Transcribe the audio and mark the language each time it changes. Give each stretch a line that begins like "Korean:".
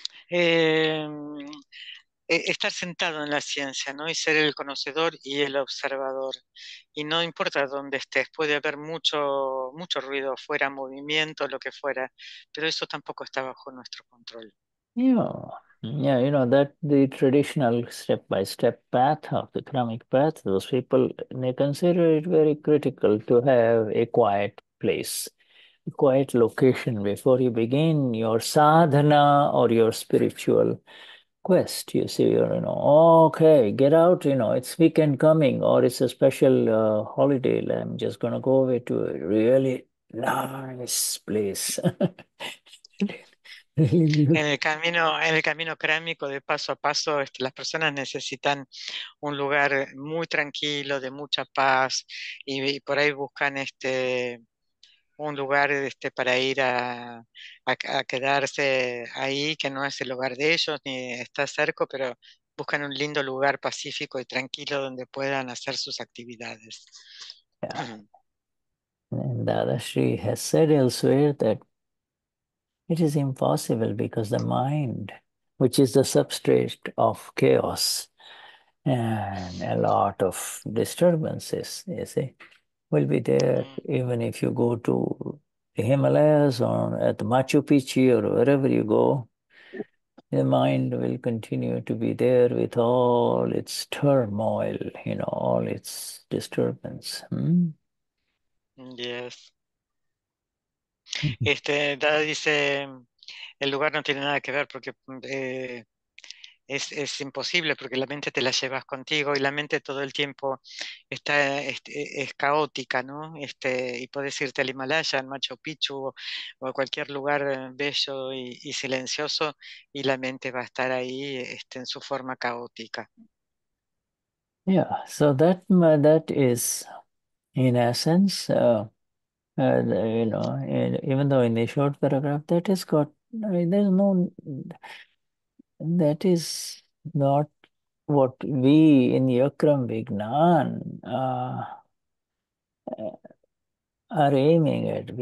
Spanish: Estar sentado en la ciencia, ¿no? Y ser el conocedor y el observador. Y no importa dónde estés, puede haber mucho, mucho ruido fuera, movimiento, lo que fuera, pero eso tampoco está bajo nuestro control.
English: Yeah, you know, that the traditional step-by-step path of the karmic path, those people, they consider it very critical to have a quiet place, a quiet location before you begin your sadhana or your spiritual quest, you see, you know, okay, get out, you know, it's weekend coming, or it's a special holiday, I'm just going to go away to a really nice place.
Spanish: En el camino kármico, de paso a paso, las personas necesitan un lugar muy tranquilo, de mucha paz, y por ahí buscan un lugar para ir a quedarse ahí, que no es el hogar de ellos ni está cerca, pero buscan un lindo lugar pacífico y tranquilo donde puedan hacer sus actividades.
English: Dadashri has said elsewhere that it is impossible because the mind, which is the substrate of chaos and a lot of disturbances, you see, will be there even if you go to the Himalayas or at the Machu Picchu or wherever you go. The mind will continue to be there with all its turmoil, you know, all its disturbance. Yes.
Spanish: Dada dice, el lugar no tiene nada que ver porque es imposible porque la mente te la llevas contigo y la mente todo el tiempo está, es caótica, ¿no? Y puedes irte al Himalaya, al Machu Picchu o a cualquier lugar bello y silencioso y la mente va a estar ahí, en su forma caótica.
English: Yeah, so that is, in essence, even though in the short paragraph, that has got, there's no, that is not what we in the Akram Vignan are aiming at.